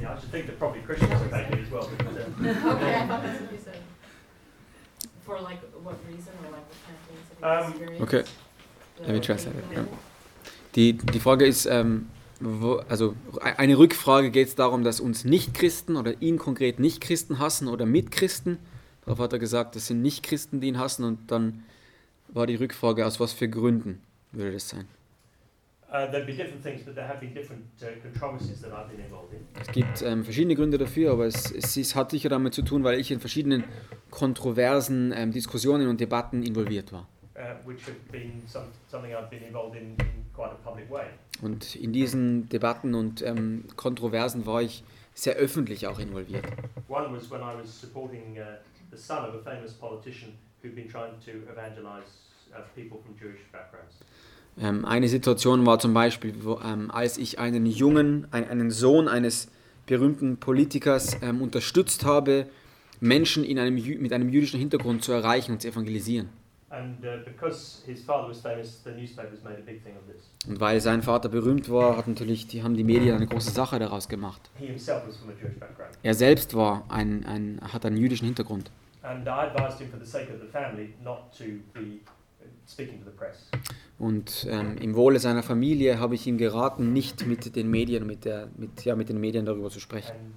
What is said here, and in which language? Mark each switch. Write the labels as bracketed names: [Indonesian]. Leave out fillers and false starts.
[English] Yeah, I should think they're probably Christians who hate you as well. Okay, I thought that's what you said. For like, what reason or like, what kind of things have you experienced? Okay, let me try that. [German] Die Frage ist, eine Rückfrage, geht es darum, dass uns Nicht-Christen oder ihn konkret Nicht-Christen hassen oder Mit-Christen? Darauf hat er gesagt, das sind Nicht-Christen, die ihn hassen, und dann war die Rückfrage, aus was für Gründen würde das sein? [English] There'd be different things, but there have been different controversies that I've been involved in. [German] Es gibt verschiedene Gründe dafür, aber es hat sicher damit zu tun, weil ich in verschiedenen kontroversen Diskussionen und Debatten involviert war. [English] Which have been something I've been involved in quite a public way. [German] Und in diesen Debatten und Kontroversen war ich sehr öffentlich auch involviert. [English] One was when I was supporting the son of a famous politician who'd been trying to evangelize people from Jewish backgrounds. [German] Eine Situation war zum Beispiel, wo, als ich einen Jungen, einen Sohn eines berühmten Politikers unterstützt habe, Menschen in einem mit einem jüdischen Hintergrund zu erreichen und zu evangelisieren. Und weil sein Vater berühmt war, haben die Medien eine große Sache daraus gemacht. [English] He himself was from a Jewish background. [German] Er selbst war hat einen jüdischen Hintergrund. Und ich [English] advised him for the sake of the family not to be speaking to the press. [German] Und im Wohle seiner Familie habe ich ihm geraten, nicht mit den Medien, mit den Medien darüber zu sprechen.